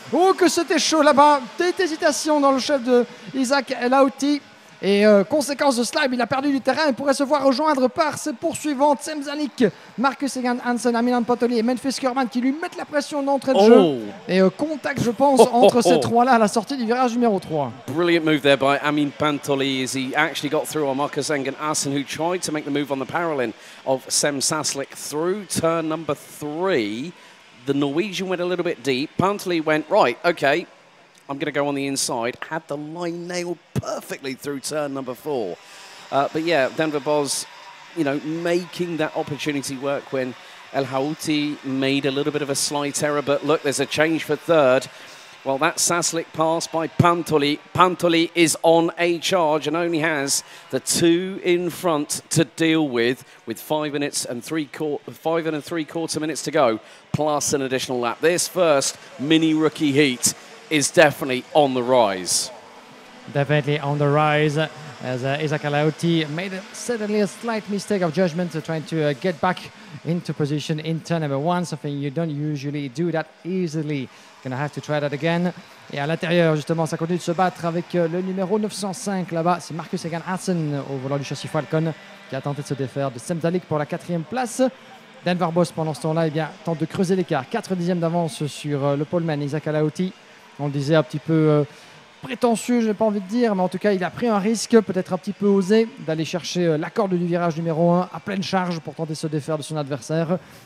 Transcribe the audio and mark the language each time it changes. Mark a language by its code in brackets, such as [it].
[fr] Oh, que c'était chaud là-bas. Petite hésitation dans le chef de Isaac El Haouti. Et conséquence de cela, il a perdu du terrain. Il pourrait se voir rejoindre par ses poursuivants. Tsem Zalik, Marcus Egan Hansen, Amilan Pantoli et Memphis Kerman qui lui mettent la pression d'entrée de jeu. Et contact, je pense, entre ces trois-là à la sortie du virage numéro 3. [en] Brilliant move there by Amin Pantoli as he actually got through on Marcus Egan Hansen, who tried to make the move on the parallel in of Tsem Zalik through turn number 3. The Norwegian went a little bit deep. Pantoli went, right, okay, I'm going to go on the inside. Had the line nailed perfectly through turn number 4. But yeah, Denver Vos, you know, making that opportunity work when El Haouti made a little bit of a slight error. But look, there's a change for third. Well, that Zalik pass by Pantoli. Pantoli is on a charge and only has the two in front to deal with 5 and 3/4 minutes to go, plus an additional lap. This first mini rookie heat is definitely on the rise. Definitely on the rise, as Isaac El Haouti made certainly a slight mistake of judgment trying to get back into position in turn number 1, something you don't usually do that easily. Gonna have to try that again. [fr] Et à l'intérieur, justement, ça continue de se battre avec le numéro 905 là-bas. C'est Marcus Egan Hansen au volant du châssis Falcon qui a tenté de se défaire de Tsem Zalik pour la 4e place. Denver Vos, pendant ce temps-là, eh bien, tente de creuser l'écart. 4 dixièmes d'avance sur le poleman Isaac El Haouti. On le disait un petit peu prétentieux, je n'ai pas envie de dire, mais en tout cas, il a pris un risque, peut-être un petit peu osé, d'aller chercher la corde du virage numéro 1 à pleine charge pour tenter de se défaire de son adversaire.